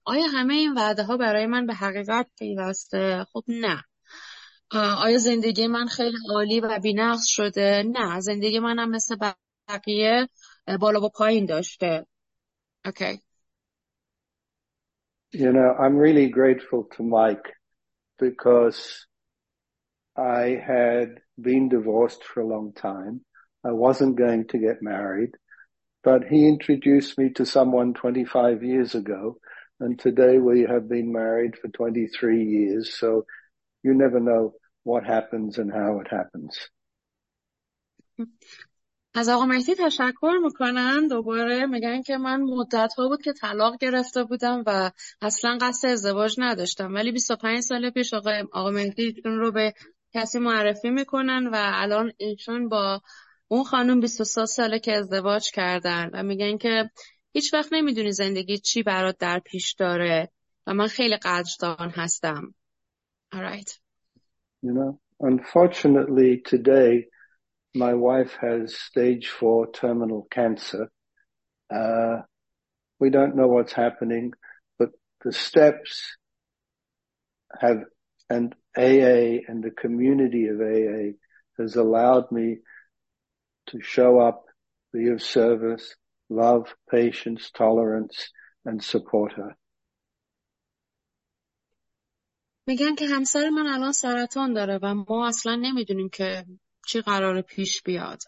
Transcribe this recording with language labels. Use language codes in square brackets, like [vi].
[fa] آیا همه این وعده ها برای من به حقیقت پیوسته؟ خب نه. آیا زندگی من خیلی عالی و بی‌نقص شده؟ نه. زندگی من هم مثل بقیه بالا و پایین داشته. [en] Okay. You know, I'm really grateful to Mike because I had been divorced for a long time. I wasn't going to get married, but he introduced me to someone 25 years ago, and today we have been married for 23 years, so you never know what happens and how it happens. [fa] از آقا مهدی تشکر میکنن. دوباره میگن که من مدت ها بود که طلاق گرفته بودم و اصلا قصد ازدواج نداشتم، ولی 25 سال پیش آقا مهدی ایشون رو به کسی معرفی میکنن و الان ایشون با اون خانم 23 ساله که ازدواج کردن و میگن که هیچ وقت نمیدونی زندگی چی برات در پیش داره و من خیلی قدردان هستم. [en] Alright. You know, unfortunately today my wife has stage 4 terminal cancer. We don't know what's happening, but the steps have and AA and the community of AA has allowed me to show up, be of service, love, patience, tolerance, and support her. [fa] میگن که همسر من الان سرطان داره و ما اصلا نمیدونیم که چی قرار پیش بیاد.